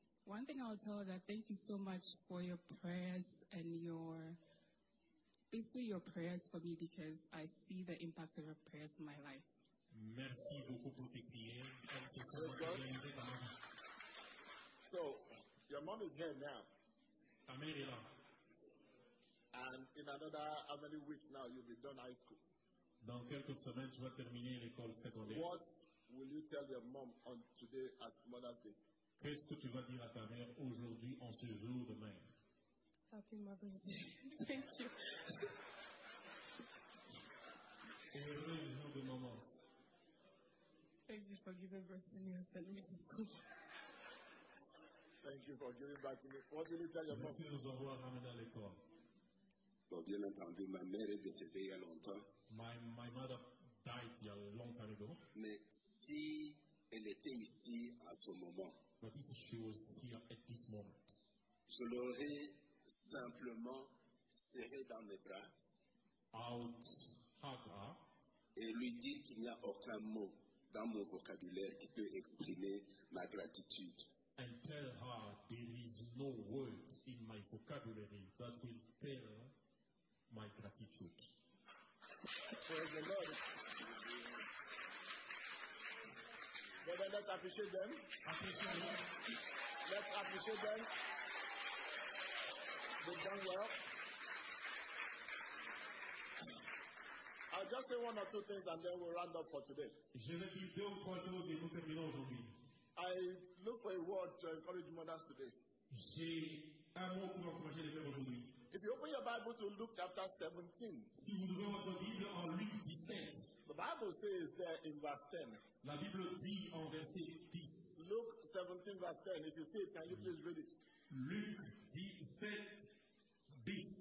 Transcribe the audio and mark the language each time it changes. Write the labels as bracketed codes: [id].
[en] One thing I'll tell her, that thank you so much for your prayers and your, basically your prayers for me, because I see the impact of your prayers in my life. [fr] Merci beaucoup pour tes prières. [en] So, your mom is here now. [fr] Ta mère est là. [en] And in another how many weeks now you'll be done high school. [fr] Dans quelques semaines, tu vas terminer l'école secondaire. [en] What will you tell your mom on today as Mother's Day? [fr] Qu'est-ce que tu vas dire à ta mère aujourd'hui, en ce jour de même? [en] Happy Mother's Day. Thank you. [fr] Heureux jour de maman. [en] Thank you for giving birth to me and sending me to school. Thank you for giving back to me. What will you tell your mom? [fr] Merci de nous avoir ramené à l'école. Bon, bien entendu, ma mère est décédée il y a longtemps. [en] My mother died a long time ago. [fr] Mais si elle était ici à ce moment, [en] but if she was here at this moment, [fr] je l'aurais simplement serré dans mes bras. [en] Out harder, [fr] et lui dit qu'il n'y a aucun mot dans mon vocabulaire qui peut exprimer ma gratitude. [en] And tell her there is no word in my vocabulary that will tell my gratitude. Praise the Lord. Brother, let's appreciate them. Appreciate them. Let's appreciate them. They've done well. I'll just say one or two things and then we'll round up for today. [fr] Je vais dire deux ou trois choses et nous terminons aujourd'hui. [en] I look for a word to encourage mothers today. [fr] J'ai un mot pour encourager les mères aujourd'hui. [en] If you open your Bible to Luke chapter 17, [fr] si vous ouvrez votre Bible en Luke 17, [en] the Bible says there in verse 10, [fr] la Bible dit en verset 10, [en] Luke 17 verse 10, if you see it, can you please read it? Luke 17, 10.